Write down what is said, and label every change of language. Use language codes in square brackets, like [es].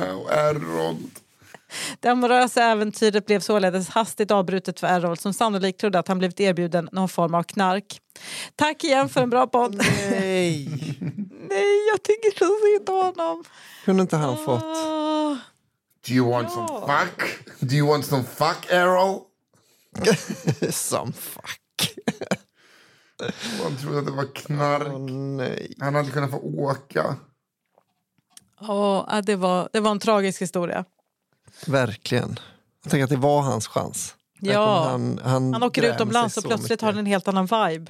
[sv] Errol. Det amorösa äventyret blev således hastigt avbrutet för Errol, som sannolikt trodde att han blivit erbjuden någon form av knark. Tack igen för en bra podd. Nej. Nej, jag tycker så synd om honom. Kunde inte han fått? [en] Do you want some fuck? Do you want some fuck, Errol? Some fuck. [sv] Han trodde att det var knark. Nej. Han hade inte kunnat få åka. Det var en tragisk historia. Verkligen. Jag tänker att det var hans chans. Ja. Han åker utomlands och plötsligt mycket. Har han en helt annan vibe.